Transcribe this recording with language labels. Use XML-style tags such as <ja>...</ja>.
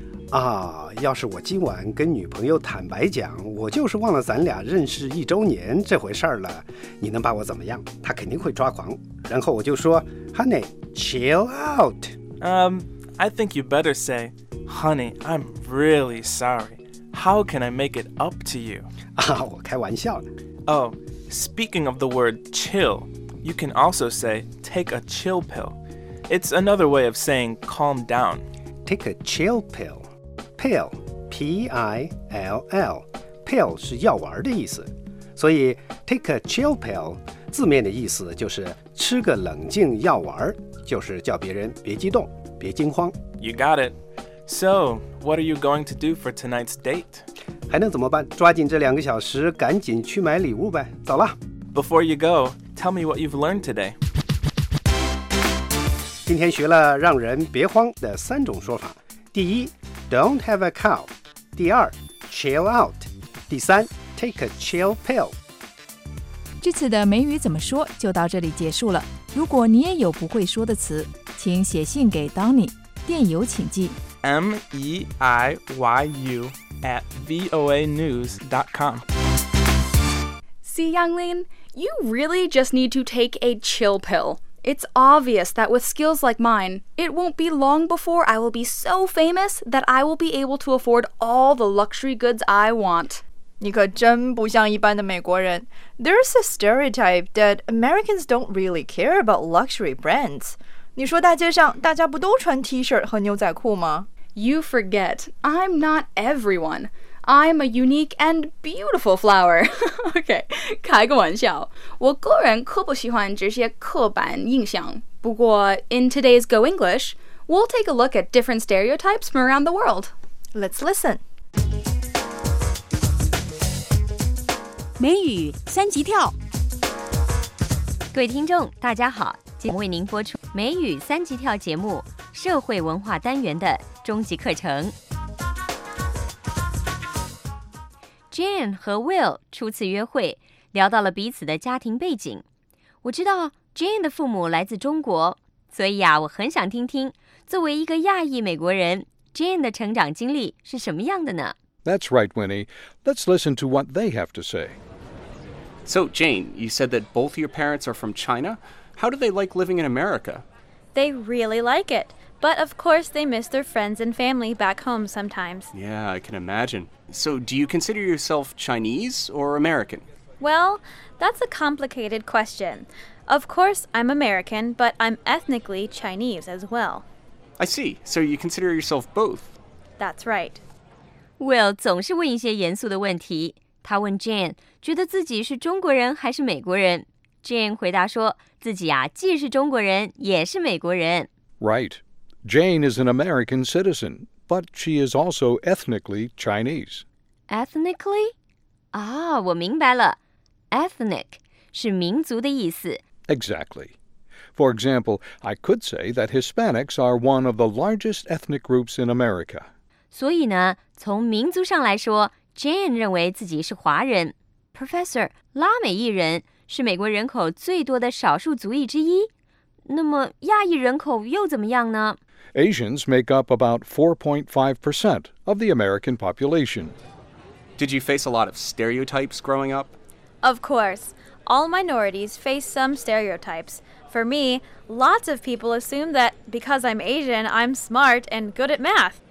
<zh>啊，要是我今晚跟女朋友坦白讲，我就是忘了咱俩认识一周年这回事了，你能把我怎么样？她肯定会抓狂。然后我就说 ，</zh> <en>Honey, chill out. I think you better say, Honey, I'm really sorry. How can I make it up to you?</en> <zh>啊，我开玩笑呢。</zh> <en>Oh, speaking of the word chill, you can also say take a chill pill. It's another way of saying calm down. Take a chill pill. Pill, P-I-L-L, pill</en> <zh>是药丸的意思，所以</zh> <en>take a chill pill</en> <zh>字面的意思就是吃个冷静药丸，就是叫别人别激动，别惊慌。</zh> <en>You got it. So, what are you going to do for tonight's date?</en> <zh>还能怎么办？抓紧这两个小时，赶紧去买礼物呗。走了。</zh> <en>Before you go, tell me what you've learned today.</en> <zh>今天学了让人别慌的三种说法。第一 ，</zh> <en>Don't have a cow。</en> <zh>第二 ，</zh> <en>Chill out。</en> <zh>第三 ，</zh> <en>Take a chill pill。</en> <zh>这次的美语怎么说就到这里结束了。如果你也有不会说的词，请写信给 Donny， 电邮请寄</zh> <en>meiyu@voanews.com。 See, Yanglin, you really just need to take a chill pill. It's obvious that with skills like mine, it won't be long before I will be so famous that I will be able to afford all the luxury goods I want.</en> <zh>你可真不像一般的美国人。</zh> <en>There's a stereotype that Americans don't really care about luxury brands.</en> <zh>你说大街上大家不都穿 T-shirt 和牛仔裤吗？</zh> <en>You forget, I'm not everyone. I'm a unique and beautiful flower.</en> <zh>OK, 开个玩笑。我个人可不喜欢这些刻板印象。不过</zh> <en>in today's Go English, we'll take a look at different stereotypes from around the world. Let's listen.</en> <zh>美语三级跳，各位听众大家好，今天为您播出美语三级跳节目社会文化单元的终极课程。 Jane 和 Will 初次约会，聊到了彼此的家庭背景。我知道 Jane 的父母来自中国，所以啊，我很想听听作为一个亚裔美国人 Jane 的成长经历是什么样的呢？</zh> <en>That's right, Winnie. Let's listen to what they have to say. So, Jane, you said that both your parents are from China. How do they like living in America? They really like it. But, of course, they miss their friends and family back home sometimes. Yeah, I can imagine. So, do you consider yourself Chinese or American? Well, that's a complicated question. Of course, I'm American, but I'm ethnically Chinese as well. I see. So, you consider yourself both? That's right.</en> <zh>Will 总是问一些严肃的问题，他问 Jane 觉得自己是中国人还是美国人。 Jane 回答说自己啊，既是中国人也是美国人。</zh> <en>Right. Jane is an American citizen, but she is also ethnically Chinese.</en> <zh>Ethnically? 啊，我明白了。Ethnic 是民族的意思。</zh> <en>Exactly. For example, I could say that Hispanics are one of the largest ethnic groups in America.</en> <zh>所以呢，从民族上来说 ，Jane 认为自己是华人。 Professor， 拉美裔人是美国人口最多的少数族裔之一。那么亚裔人口又怎么样呢</zh> <en>？Asians make up about 4.5% of the American population. Did you face a lot of stereotypes growing up? Of course, all minorities face some stereotypes. For me, lots of people assume that because I'm Asian, I'm smart and good at math.</en>